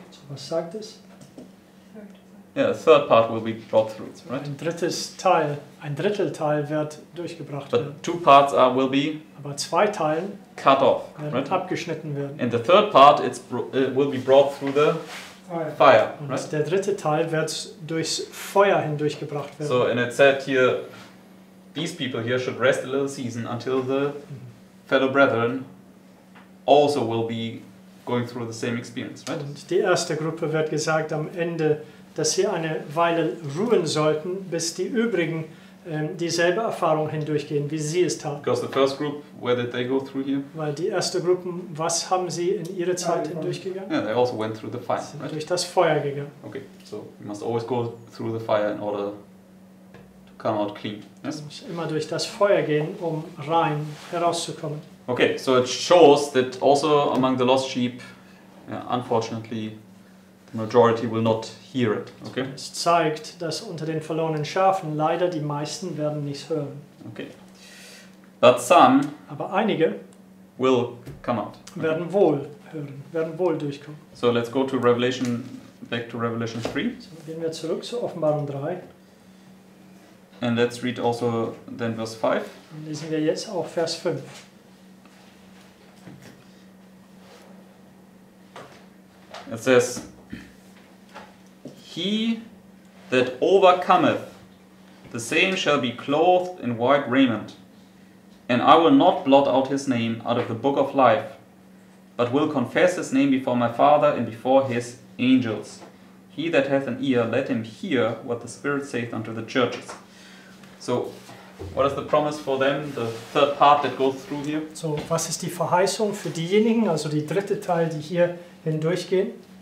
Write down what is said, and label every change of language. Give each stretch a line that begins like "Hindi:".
German: So was sagt es?
English: Yeah, the third part will be brought through, right?
German: Ein Drittel Teil wird durchgebracht
English: werden. But two parts are will be.
German: Aber zwei Teilen.
English: Cut off. Right?
German: Abgeschnitten werden.
English: And the third part, it's will be brought through the. Fire,
German: und
English: right?
German: Der dritte Teil wird durchs Feuer hindurchgebracht werden.
English: So, and it said here, these people here should rest a little season until the fellow brethren also will be going through the same experience, right?
German: Und die erste Gruppe wird gesagt am Ende, dass sie eine Weile ruhen sollten, bis die übrigen dieselbe Erfahrung hindurchgehen, wie sie es taten.
English: Because the first group, where did they go through here?
German: Weil die erste Gruppe, was haben sie in ihrer Zeit hindurchgegangen?
English: Yeah, they also went through the fire.
German: Sie sind
English: right?
German: durch das Feuer gegangen.
English: Okay, so you must always go through the fire in order to come out clean. Yes?
German: Du musst immer durch das Feuer gehen, um rein herauszukommen.
English: Okay, so it shows that also among the lost sheep, unfortunately, majority will not hear it. Okay.
German: Es zeigt, dass unter den verlorenen Schafen leider die meisten werden nichts hören.
English: Okay. But some.
German: Aber einige.
English: Will come out.
German: Okay. Werden wohl hören. Werden wohl durchkommen.
English: So let's go to Revelation. Back to Revelation 3.
German: So gehen wir zurück zu Offenbarung 3.
English: And let's read also then verse 5.
German: Dann lesen wir jetzt auch Vers 5.
English: It says. He that overcometh, the same shall be clothed in white raiment, and I will not blot out his name out of the book of life, but will confess his name before my Father and before his angels. He that hath an ear, let him hear what the Spirit saith unto the churches. So, what is the promise for them, the third part that goes through here?
German: So, was ist die Verheißung für diejenigen, also die dritte Teil, die hier hindurchgehen?